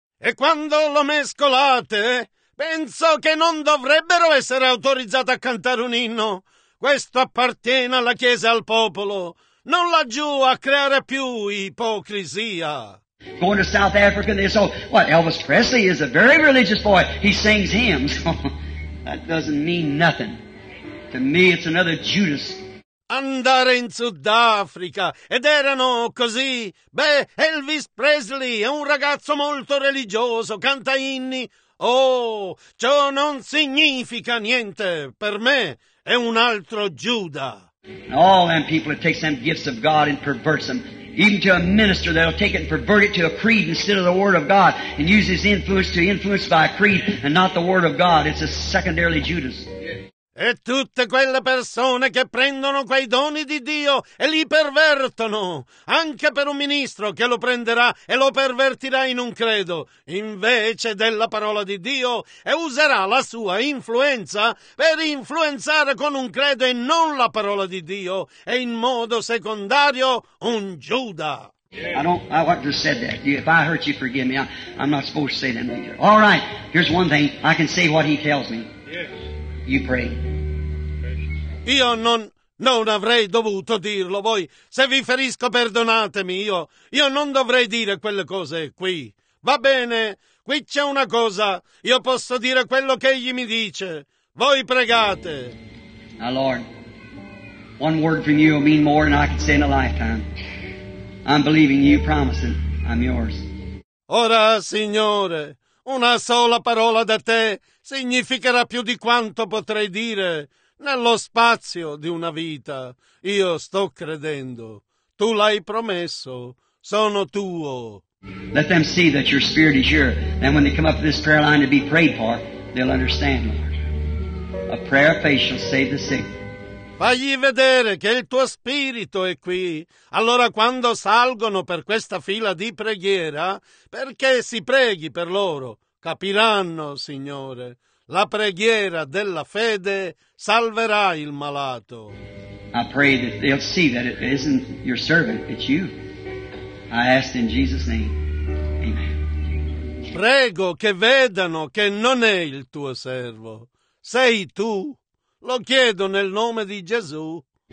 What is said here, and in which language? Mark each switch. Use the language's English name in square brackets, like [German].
[Italian] E quando lo mescolate, penso che non dovrebbero essere autorizzati a cantare un inno. Questo appartiene alla Chiesa e al popolo. Non laggiù a creare più ipocrisia. [English] Going to South Africa and they say, what, Elvis Presley is a very religious boy. He sings hymns. That doesn't mean nothing. To me it's another Judas. [Italian] Andare in Sudafrica ed erano così. Beh, Elvis Presley è un ragazzo molto religioso, canta inni. Oh, ciò non significa niente. Per me è un altro Giuda. [English] And all them people that take them gifts of God and perverts them, even to a minister, they'll take it and pervert it to a creed instead of the Word of God and use his influence to influence by a creed and not the Word of God. It's a secondary Judas. [Italian] E tutte quelle persone che prendono quei doni di Dio e li pervertono, anche per un ministro che lo prenderà e lo pervertirà in un credo, invece della parola di Dio, e userà la sua influenza per influenzare con un credo e non la parola di Dio, e in modo secondario un Giuda. [English] I wouldn't have said that. If I hurt you, forgive me. I'm not supposed to say that either. All right, here's one thing. I can say what he tells me. You pray. [Italian] Io non avrei dovuto dirlo. Voi, se vi ferisco, perdonatemi. Io non dovrei dire quelle cose qui. Va bene, qui c'è una cosa. Io posso dire quello che egli mi dice. Voi pregate. [English] Now, Lord, one word from you will mean more than I can say in a lifetime. I'm believing you, promising I'm yours. [Italian] Ora, Signore, una sola parola da te significherà più di quanto potrei dire nello spazio di una vita. Io sto credendo. Tu l'hai promesso. Sono tuo. [English] Let them see that your spirit is here. Then when they come up to this prayer line to be prayed for, they'll understand, Lord. A prayer of faith shall save the sick. [Italian] Fagli vedere che il tuo spirito è qui. Allora quando salgono per questa fila di preghiera, perché si preghi per loro? Capiranno, Signore, la preghiera della fede salverà il malato. [English] I pray that they'll see that it isn't your servant, it's you. I ask in Jesus' name. Amen. [Italian] Prego che vedano che non è il tuo servo, sei tu. Lo chiedo nel nome di Gesù.